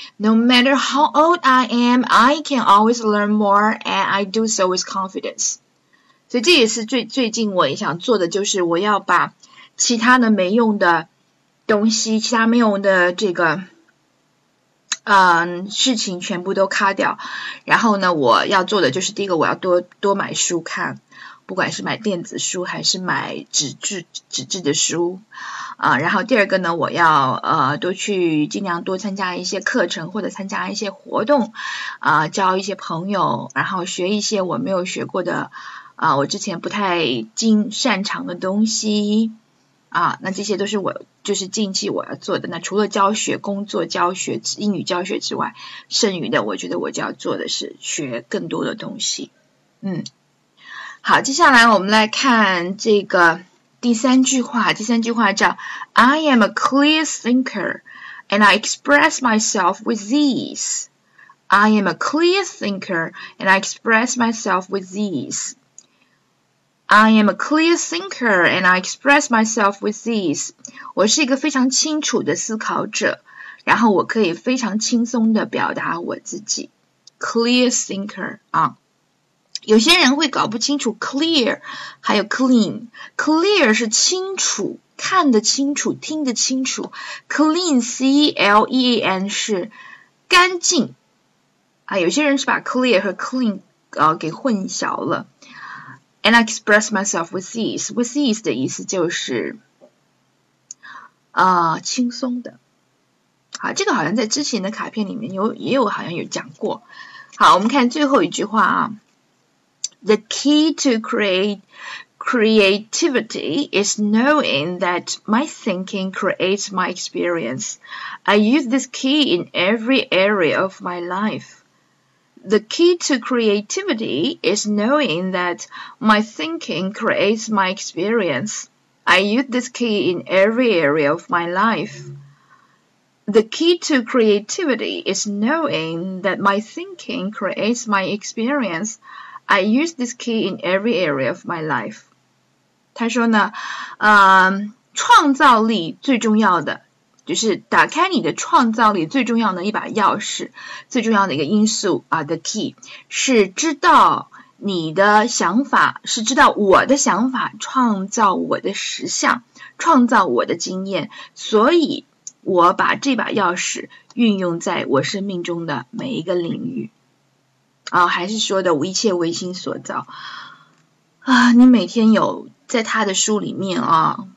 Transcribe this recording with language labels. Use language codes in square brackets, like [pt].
[en] No matter how old I am, I can always learn more, and I do so with confidence。 [zh] 所以这也是最近我也想做的，就是我要把其他的没用的东西，其他没用的这个。事情全部都卡掉，然后呢，我要做的就是第一个，我要多多买书看，不管是买电子书还是买纸质的书，然后第二个呢，我要多去尽量多参加一些课程或者参加一些活动，交一些朋友，然后学一些我没有学过的，我之前不太擅长的东西。那这些都是我就是近期我要做的。那除了教学、工作、教学、英语教学之外，剩余的我觉得我就要做的是学更多的东西。好，接下来我们来看这个第三句话。第三句话叫 [en] "I am a clear thinker and I express myself with ease." I am a clear thinker and I express myself with ease. I am a clear thinker and I express myself with ease. [zh] 我是一个非常清楚的思考者，然后我可以非常轻松的表达我自己。 Clear thinker 啊，有些人会搞不清楚 clear 还有 clean。 Clear 是清楚，看得清楚，听得清楚。 Clean C-L-E-A-N 是干净啊。有些人是把 clear 和 clean 给混淆了。 [en] And I express myself with ease. With ease [zh] 的意思就是，轻松的。好，这个好像在之前的卡片里面也有好像有讲过。好，我们看最后一句话啊。 [en] The key to creativity is knowing that my thinking creates my experience. I use this key in every area of my life. The key to creativity is knowing that my thinking creates my experience. I use this key in every area of my life. The key to creativity is knowing that my thinking creates my experience. I use this key in every area of my life. [zh] 他说呢，创造力最重要的。就是打开你的创造力最重要的一把钥匙，最重要的一个因素啊，the key 是知道你的想法，是知道我的想法，创造我的实相，创造我的经验，所以我把这把钥匙运用在我生命中的每一个领域啊，还是说的我一切唯心所造啊，你每天有在他的书里面啊。